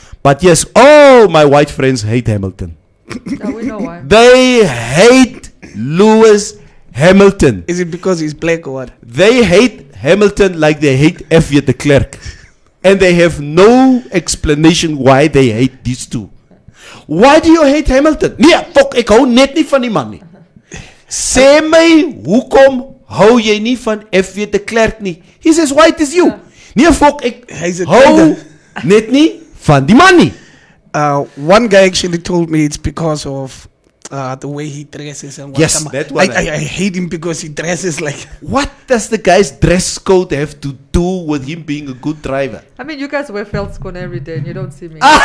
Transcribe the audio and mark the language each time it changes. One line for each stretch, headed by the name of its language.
English: But yes, my white friends hate Hamilton. Yeah, we know why. They hate Lewis Hamilton. Is it because he's black or what? They hate Hamilton like they hate F. de Klerk. And they have no explanation why they hate these two. Why do you hate Hamilton?
Afrikaans: Nee, fok, ek hou net nie van die man nie. Sê my, hoekom hou jy nie van F. de Klerk nie?
English: He says, why it is you?
Afrikaans: Nee, fok, ek hou net nie van die man nie.
English: One guy actually told me it's because of the way he dresses and what. Yes, that one. I hate him because he dresses like. What does the guy's dress code have to do with him being a good driver? I mean, you guys wear Feldskorn every day and you don't see me.